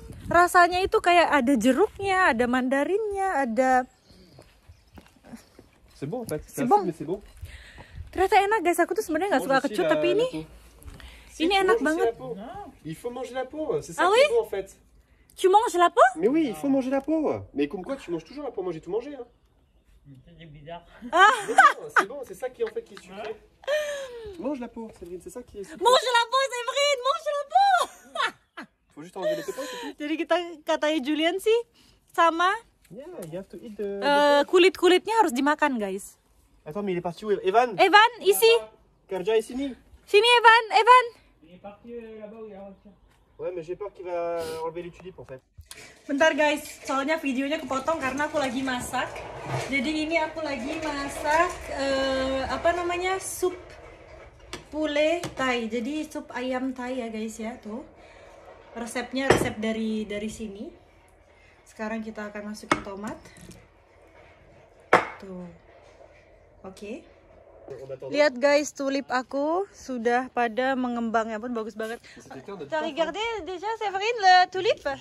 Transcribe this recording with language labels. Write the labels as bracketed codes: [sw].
[id] Rasanya itu kayak ada jeruknya, ada mandarinnya, ada sebong, sebong. Sebong. Ternyata enak guys. Aku tuh sebenarnya enggak suka kecut tapi ini si, ini enak banget. [fr] Il faut manger la peau, c'est ça qui est bon en fait. Tu manges la peau? Mais oui, il faut manger la peau. Mais comme quoi tu manges toujours la peau, moi j'ai tout mangé hein. C'est bizarre. Ah. Non, c'est bon, c'est ça qui en fait qui est sucré. Mange la peau, Séverine, c'est ça qui est sucré. Mange la peau, Séverine, mange la peau. Faut juste enlever les pépins, c'est tout. [id] Jadi kita katanya Julian sih sama. [en] Yeah, you have to eat the. [id] Kulit-kulitnya harus dimakan, guys. [fr] Attends, mais il est parti où, Evan? Evan, ici. [id] Kerja di sini. Sini, Evan, Evan. [fr] Il est parti là-bas où il y a Rosia. Ouais, mais j'ai peur qu'il va enlever les tulipes en fait. [id] Bentar guys, soalnya videonya kepotong karena aku lagi masak. Jadi ini aku lagi masak apa namanya sup pule Thai. Jadi sup ayam Thai ya guys ya tuh. Resepnya resep dari sini. Sekarang kita akan masukin tomat. Tuh, oke. Okay. Lihat guys, tulip aku sudah pada mengembang ya pun bagus banget. [fr] T'as regardé déjà Séverine le tulip?